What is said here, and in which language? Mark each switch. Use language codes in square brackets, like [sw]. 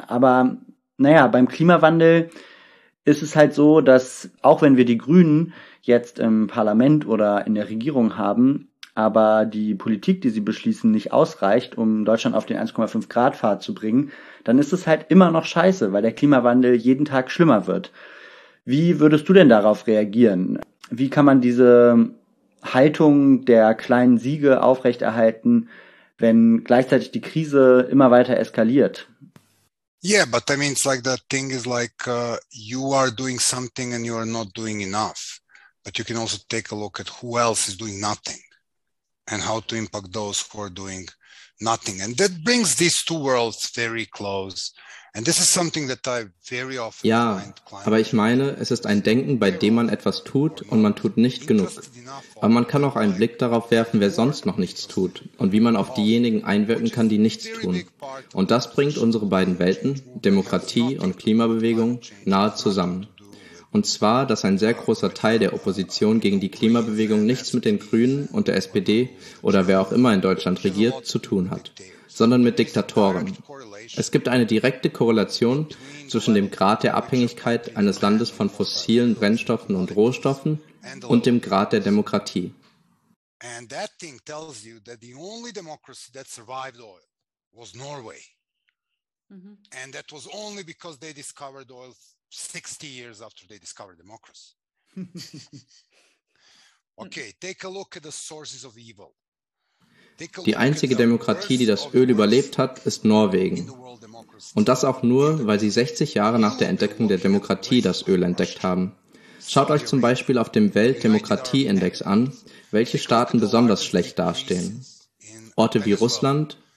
[de] Aber naja, beim Klimawandel ist es halt so, dass auch wenn wir die Grünen jetzt im Parlament oder in der Regierung haben, aber die Politik, die sie beschließen, nicht ausreicht, um Deutschland auf den 1,5-Grad-Pfad zu bringen, dann ist es halt immer noch scheiße, weil der Klimawandel jeden Tag schlimmer wird. Wie würdest du denn darauf reagieren? Wie kann man diese Haltung der kleinen Siege aufrechterhalten, wenn gleichzeitig die Krise immer weiter eskaliert? [en] Yeah, but I mean, it's like that thing is like you are doing something and you are not doing enough. But you can also take a look at who else is doing nothing and how to impact those who are doing nothing. And that brings these two worlds very close. And this is something that I very often [de] ja, aber ich meine, es ist ein Denken, bei dem man etwas tut und man tut nicht genug. Aber man kann auch einen Blick darauf werfen, wer sonst noch nichts tut und wie man auf diejenigen einwirken kann, die nichts tun. Und das bringt unsere beiden Welten, Demokratie und Klimabewegung, nahe zusammen. Und zwar, dass ein sehr großer Teil der Opposition gegen die Klimabewegung nichts mit den Grünen und der SPD oder wer auch immer in Deutschland regiert, zu tun hat, sondern mit Diktatoren. Es gibt eine direkte Korrelation zwischen dem Grad der Abhängigkeit eines Landes von fossilen Brennstoffen und Rohstoffen und dem Grad der Demokratie. [en] And that thing tells you that the only democracy that survived oil was Norway. Mm-hmm. And that was only because they discovered oil 60 years after they discovered democracy. Okay, take a look at the sources of evil. [de] Die einzige Demokratie, die das Öl überlebt hat, ist Norwegen. Und das auch nur, weil sie 60 Jahre nach der Entdeckung der Demokratie das Öl entdeckt haben. Schaut euch zum Beispiel auf dem Weltdemokratieindex an, welche Staaten besonders schlecht dastehen. Orte wie Russland,